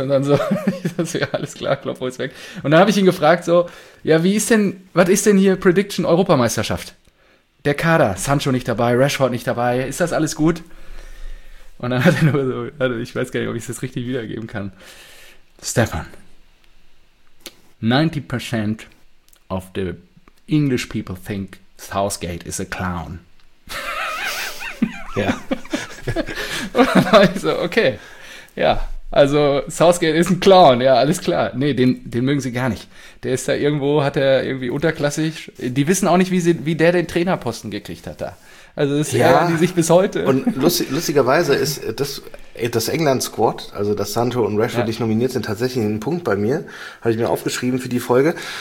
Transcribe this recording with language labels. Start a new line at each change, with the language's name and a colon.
German: Und dann so, ja, alles klar, Kloppo ist weg. Und dann habe ich ihn gefragt so, ja, was ist denn hier Prediction Europameisterschaft? Der Kader, Sancho nicht dabei, Rashford nicht dabei, ist das alles gut? Und dann hat er nur so, also ich weiß gar nicht, ob ich das richtig wiedergeben kann.
English: Stefan, 90% of the English people think Southgate is a clown.
German: Ja. Und dann war ich so, okay. Ja, also Southgate ist ein Clown. Ja, alles klar. Nee, den mögen sie gar nicht. Der ist da irgendwo, hat er irgendwie unterklassig. Die wissen auch nicht, wie der den Trainerposten gekriegt hat da. Also das ist ja eher, die sich bis heute. Und lustigerweise ist das England-Squad, also dass Sancho und Rashford nicht nominiert sind, tatsächlich ein Punkt bei mir, habe ich mir aufgeschrieben für die Folge.